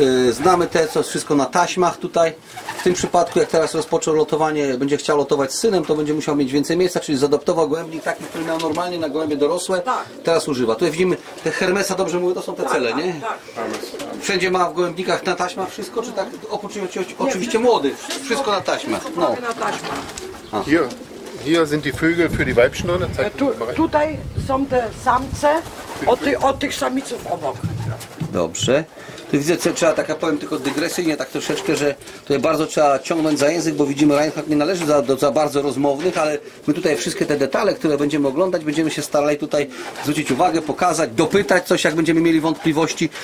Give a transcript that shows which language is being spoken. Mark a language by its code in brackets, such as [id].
[pl] Znamy te, co jest wszystko na taśmach tutaj. W tym przypadku, jak teraz rozpoczął lotowanie, będzie chciał lotować z synem, to będzie musiał mieć więcej miejsca, czyli zaadoptował gołębnik taki, który miał normalnie na gołębie dorosłe. Tak. Teraz używa. Tutaj widzimy, te Hermesa, dobrze mówię, to są te cele, nie? Tak. Wszędzie ma w gołębnikach na taśmach wszystko, czy tak? Oprócz oczywiście młodych. Wszystko na taśmach. No. Tak. [de] Hier sind die Vögel für die Weibchen. [pl] Tutaj są te samce, od tych samiców obok. Dobrze. Tu widzę, co trzeba, tak ja powiem tylko dygresyjnie, tak troszeczkę, że tutaj bardzo trzeba ciągnąć za język, bo widzimy, Reinhardt nie należy za bardzo rozmownych, ale my tutaj wszystkie te detale, które będziemy oglądać, będziemy się starali tutaj zwrócić uwagę, pokazać, dopytać coś, jak będziemy mieli wątpliwości.